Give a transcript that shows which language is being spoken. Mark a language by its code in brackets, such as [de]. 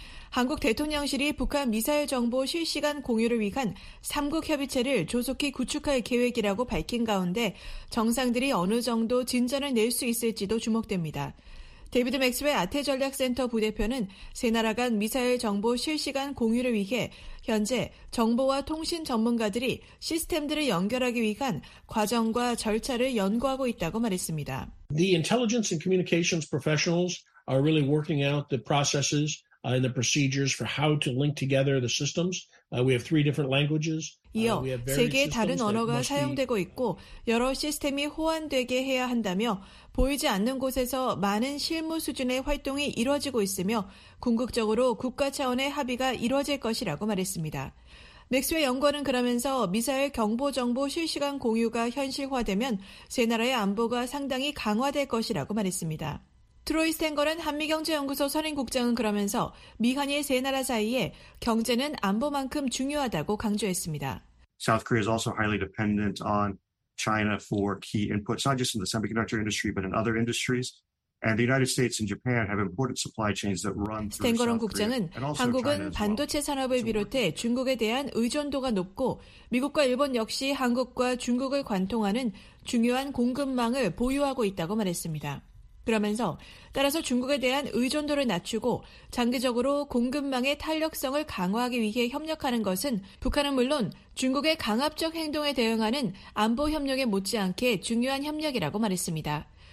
[ko] 한국 대통령실이 북한 미사일 정보 실시간 공유를 위한 3국협의체를 조속히 구축할 계획이라고 밝힌 가운데 정상들이 어느 정도 진전을 낼 수 있을지도 주목됩니다. 데이비드 맥스웰 아태전략센터 부대표는 세 나라 간 미사일 정보 실시간 공유를 위해 현재 정보와 통신 전문가들이 시스템들을 연결하기 위한 과정과 절차를 연구하고 있다고 말했습니다. [en] The intelligence and communications professionals are really working out the processes and the procedures for how to link together the systems. We have three different languages. [ko] 이어 세계의 다른 언어가 사용되고 있고 여러 시스템이 호환되게 해야 한다며 보이지 않는 곳에서 많은 실무 수준의 활동이 이루어지고 있으며 궁극적으로 국가 차원의 합의가 이루어질 것이라고 말했습니다. 맥스웰 연구원은 그러면서 미사일 경보 정보 실시간 공유가 현실화되면 세 나라의 안보가 상당히 강화될 것이라고 말했습니다. 트로이 스탱거는 한미경제연구소 선임국장은 그러면서 미한일 세 나라 사이에 경제는 안보만큼 중요하다고 강조했습니다. [en] South Korea is also highly dependent on China for key inputs, not just in the semiconductor industry, but in other industries. And the United States and Japan have important supply chains that run through South Korea. [ko] 국장은 한국은 반도체 산업을 비롯해 중국에 대한 의존도가 높고 미국과 일본 역시 한국과 중국을 관통하는 중요한 공급망을 보유하고 있다고 말했습니다. 그러면서 따라서 중국에 대한 의존도를 낮추고 장기적으로 공급망의 탄력성을 강화하기 위해 협력하는 것은 북한은 물론 중국의 강압적 행동에 대응하는 안보 협력에 못지않게 중요한 협력이라고 말했습니다.